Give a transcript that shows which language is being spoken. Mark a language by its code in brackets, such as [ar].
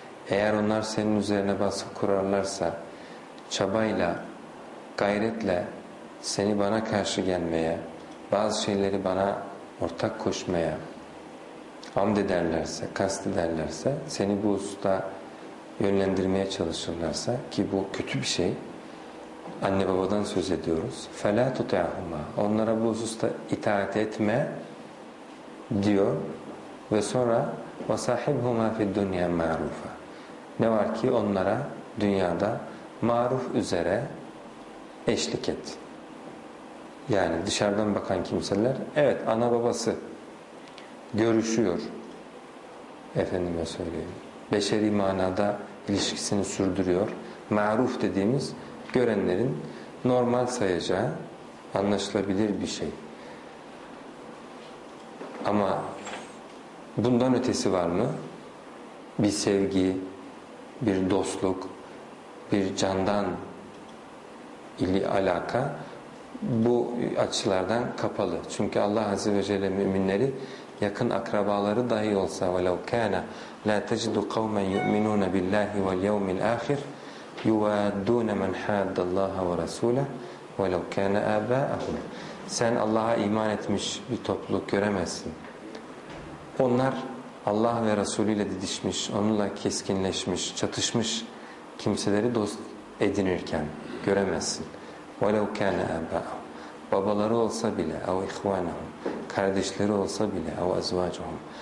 [tr] Eğer onlar senin üzerine baskı kurarlarsa, çabayla, gayretle seni bana karşı gelmeye, bazı şeyleri bana ortak koşmaya hamd ederlerse, kast ederlerse, seni bu usta yönlendirmeye çalışırlarsa, ki bu kötü bir şey, anne babadan söz ediyoruz. [ar] فَلَا تُطَعْهُمَا. [tr] Onlara bu hususta itaat etme diyor. Ve sonra [ar] وَصَاحِبْهُمَا فِي الدُّنْيَا مَعْرُوفَ. [tr] Ne var ki onlara dünyada maruf üzere eşlik et. Yani dışarıdan bakan kimseler, evet ana babası görüşüyor, efendime söyleyeyim, beşeri manada ilişkisini sürdürüyor. Maruf dediğimiz görenlerin normal sayacağı anlaşılabilir bir şey. Ama bundan ötesi var mı? Bir sevgi, bir dostluk, bir candan alaka. Bu açılardan kapalı. Çünkü Allah Azze ve Celle müminleri yakın akrabaları dahi olsa, [ar] وَلَوْ كَانَ لَا تَجِدُ قَوْمًا يُؤْمِنُونَ بِاللّٰهِ وَالْيَوْمِ الْآخِرِ يُوَادُّونَ مَنْ حَادَّ اللّٰهَ وَرَسُولَهُ وَلَوْ كَانَ آبَاءَهُمْ. [tr] Sen Allah'a iman etmiş bir topluluk göremezsin. Onlar Allah ve Resulü ile didişmiş, onunla keskinleşmiş, çatışmış kimseleri dost edinirken göremezsin. [ar] وَلَوْ كَانَ أَبَاءُمْ. [tr] Babaları olsa bile, [ar] اَوْ اِخْوَانَهُمْ. [tr] Kardeşleri olsa bile, [ar] اَوْ اَزْوَاجُهُمْ.